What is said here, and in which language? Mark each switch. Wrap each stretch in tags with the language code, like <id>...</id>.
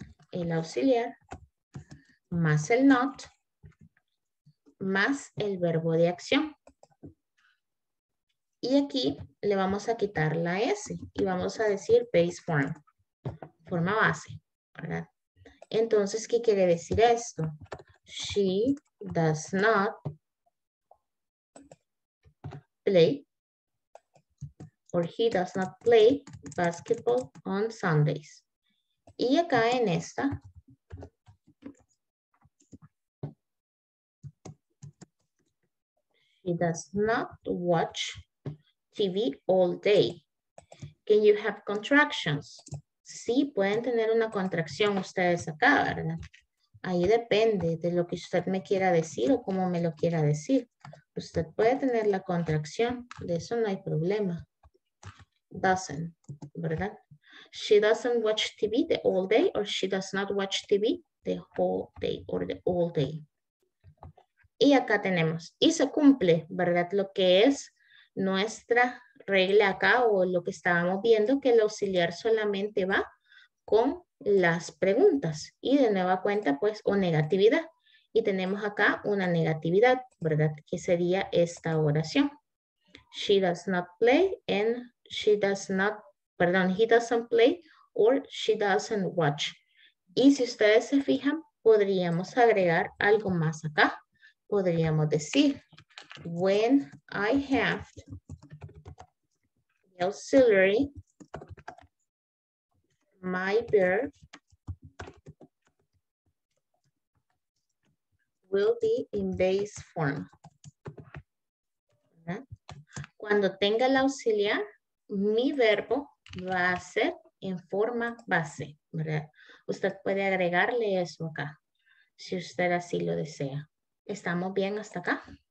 <es>El auxiliar más el not más el verbo de acción. Y aquí le vamos a quitar la S y vamos a decir base form, forma base, ¿verdad? Entonces, ¿qué quiere decir esto?</es> <en>She does not play, or he does not play basketball on Sundays.</en> <es>Y acá en esta,</es> <en>she does not watch TV all day. Can you have contractions?</en> <es>Sí, pueden tener una contracción ustedes acá, ¿verdad? Ahí depende de lo que usted me quiera decir o cómo me lo quiera decir. Usted puede tener la contracción, de eso no hay problema. Doesn't, ¿verdad?</es> <en>She doesn't watch TV the whole day, or she does not watch TV the whole day, or the all day.</en> <es>Y acá tenemos, y se cumple, ¿verdad? Lo que es nuestra regla acá, o lo que estábamos viendo, que el auxiliar solamente va con las preguntas y de nueva cuenta, pues, o negatividad. Y tenemos acá una negatividad, ¿verdad? Que sería esta oración.</es> <en>She does not play and she does not, perdón, he doesn't play or she doesn't watch.</en> <es>Y si ustedes se fijan, podríamos agregar algo más acá. Podríamos decir,</es> <en>when I have the auxiliary, my verb will be in base form.</en> <es>Cuando tenga el auxiliar, mi verbo va a ser en forma base, ¿verdad? Usted puede agregarle eso acá, si usted así lo desea. ¿Estamos bien hasta acá?</es>